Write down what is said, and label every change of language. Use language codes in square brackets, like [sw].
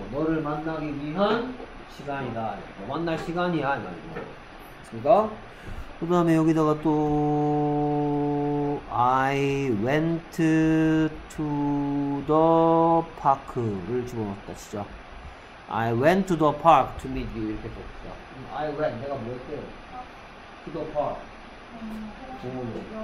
[ko] 너를 만나기 위한 시간이다. 만날 시간이야. 맞습니다. 그 다음에 여기다가 또 [en] I went to the park [ko] 를 집어넣었다. 진짜. [en] I went to the park to meet you. [ko] 이렇게 썼어. [en] I went. [ko] 내가 뭐 했대요? [en] To the park. [ko] 공원으로.